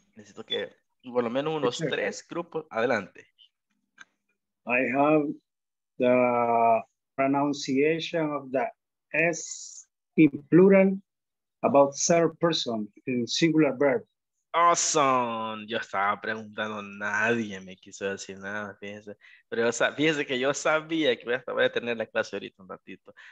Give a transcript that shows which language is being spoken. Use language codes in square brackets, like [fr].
[es] Necesito que por lo menos unos tres grupos. Adelante. [en] I have the pronunciation of the S in plural about third person in singular verb. Awesome. [es] Yo estaba preguntando, nadie me quiso decir nada, fíjense. Pero fíjense que yo sabía que voy a tener la clase ahorita un ratito.